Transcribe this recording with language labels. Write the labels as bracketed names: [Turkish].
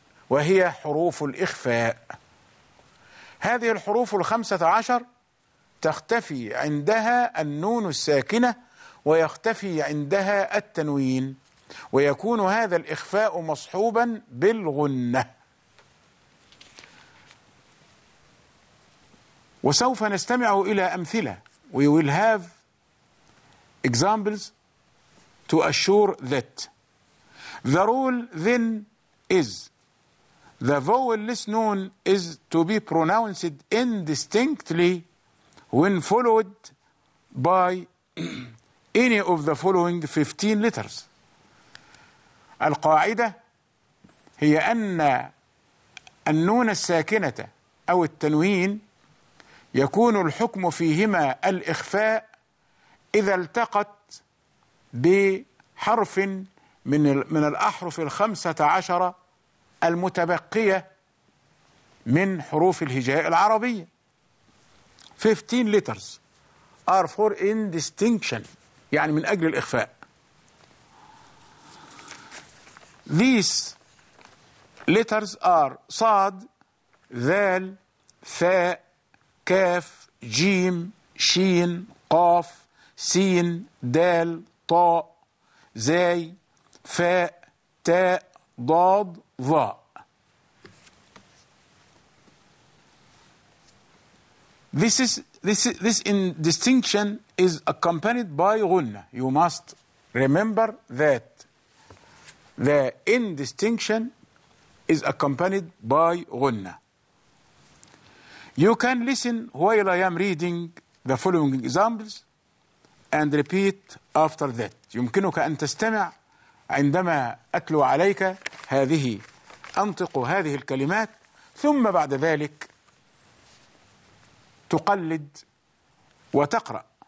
[Arabic] وهي حروف الإخفاء. هذه الحروف الخمسة عشر تختفي عندها النون الساكنة ويختفي عندها التنوين، ويكون هذا الإخفاء مصحوبا بالغنة. وسوف نستمع إلى أمثلة. [English] We will have examples to assure that. The rule then is the vowelless noon is to be pronounced indistinctly. when followed by any of the following 15 letters. [Arabic] القاعدة هي أن النون الساكنة أو التنوين يكون الحكم فيهما الإخفاء إذا التقت بحرف من الأحرف الخمسة عشرة المتبقية من حروف الهجاء العربية. [English] 15 letters are for indistinction, [Arabic] يعني من أجل الإخفاء. [English] These letters are صاد، ذال، ثاء، كاف، جيم، شين، قاف، سين، دال، طاء، زاي، فاء، تاء، ضاد، ظاء. This in distinction is accompanied by غنّة. You must remember that the in distinction is accompanied by غنّة. You can listen while I am reading the following examples and repeat after that. [Arabic] يمكنك أن تستمع عندما أتلو عليك هذه أنطق هذه الكلمات ثم بعد ذلك تقلد وتقرأ.